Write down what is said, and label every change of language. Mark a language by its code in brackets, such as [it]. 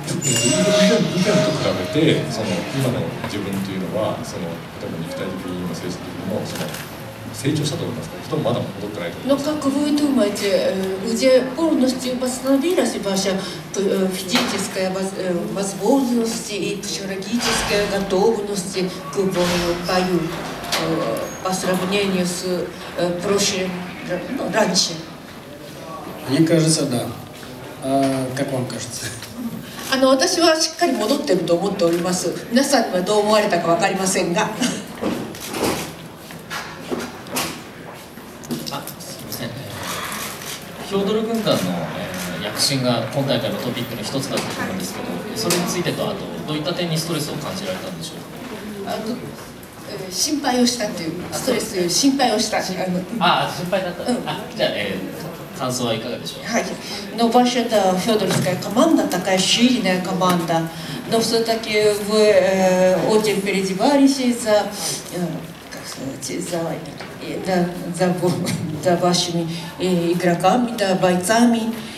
[ja] 以前と比べて、その今の自分というのは、その例えば肉体的にも精神的にも成長したと思いますか？人もまだ戻ってないと思います。 [ru] Но как вы думаете, уже полностью восстановилась ваша физическая возможность и психологическая готовность к бою по сравнению с прошлым, раньше? Мне кажется, да. А как вам кажется? [ja] 私はしっかり戻っていると思っております。皆さんにはどう思われたか分かりませんが。あ、すみません、ヒョードル軍団の、躍進が今大会のトピックの一つだったと思うんですけど、それについてと、あとどういった点にストレスを感じられたんでしょうか？心配をしたという、ストレス、心配をした。心配だった、うん、じゃあ、 [ru] Но ваша федоровская команда такая сильная команда, но все-таки вы очень переживались за вашими игроками, да, бойцами.